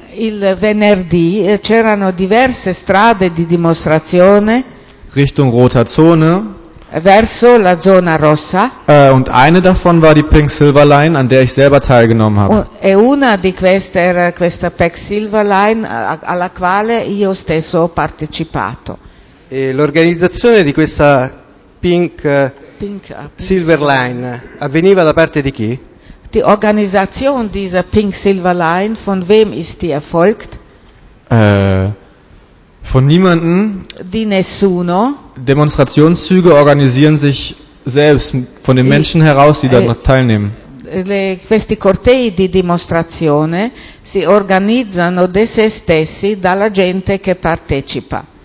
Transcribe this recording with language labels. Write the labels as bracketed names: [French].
[Italian] Il venerdì c'erano diverse strade di dimostrazione. [German] Richtung roter Zone. [Italian] Verso la zona rossa. [German] Und eine davon war die Pink Silver Line, an der ich selber teilgenommen habe. [Italian] E una di queste era questa Pink Silver Line alla quale io stesso ho partecipato. E l'organizzazione di questa Pink Silver Line avveniva da parte di chi? [German] Die Organisation dieser Pink Silver Line, von wem ist die erfolgt? Von niemanden. [Italian] Di nessuno. [German] Demonstrationszüge organisieren sich selbst von den Menschen heraus, die daran teilnehmen. [Italian] questi cortei di dimostrazione si organizzano da se stessi, dalla gente che partecipa.